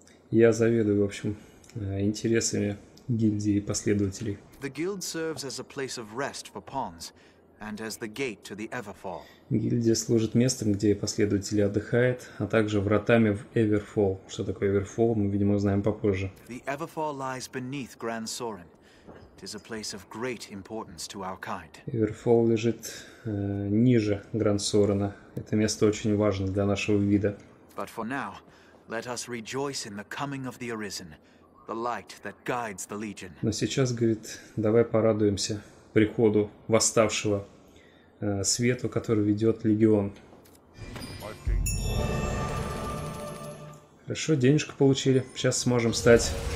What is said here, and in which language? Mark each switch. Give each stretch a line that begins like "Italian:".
Russian: Я заведую, в общем, интересами гильдии последователей. Гильдия служит местом, где последователи отдыхают, а также вратами в Эверфолл. Что такое Эверфолл, мы, видимо, узнаем попозже.
English: The Everfall lies beneath Grand Sorin. It is a place of great importance to our kind.
Russian: Эверфолл лежит ниже Гранд Сорена. Это место очень важно для нашего вида.
English: But for now, let us rejoice in the coming of the Arisen, the light that guides the Legion.
Russian: Но сейчас, говорит, давай порадуемся приходу восставшего, свету, который ведет Легион. Хорошо, денежку получили. Сейчас сможем стать...